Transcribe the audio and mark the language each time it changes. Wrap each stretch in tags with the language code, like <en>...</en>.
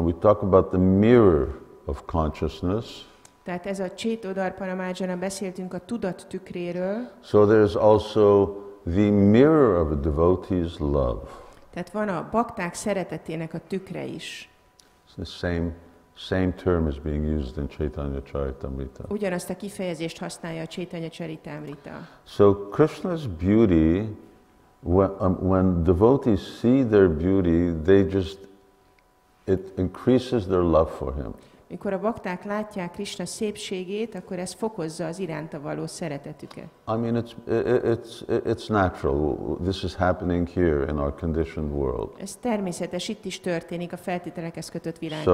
<en>We talk about the mirror of consciousness.</en> <hu>Tehát ez a Chaitadarpanam Arjuna, beszéltünk a tudat tükréről.</hu> <en>So there is also the mirror of a devotee's love.</en> <hu>Tehát van a bakták szeretetének a tükre is.</hu> <en>It's the same term is being used in Chaitanya Charitamrita.</en> <hu>Ugyanazt a kifejezést használja a Chaitanya Charitamrita.</hu> <en>So Krishna's beauty, when devotees see their beauty, it increases their love for him.</en> <hu>Mikor a bakták látják Krishna szépségét, akkor ez fokozza az iránta való szeretetüket.</hu> <en>I mean, it's natural. This is happening here in our conditioned world.</en> <hu>Ez természetes, itt is történik a feltételekhez kötött világban.</hu>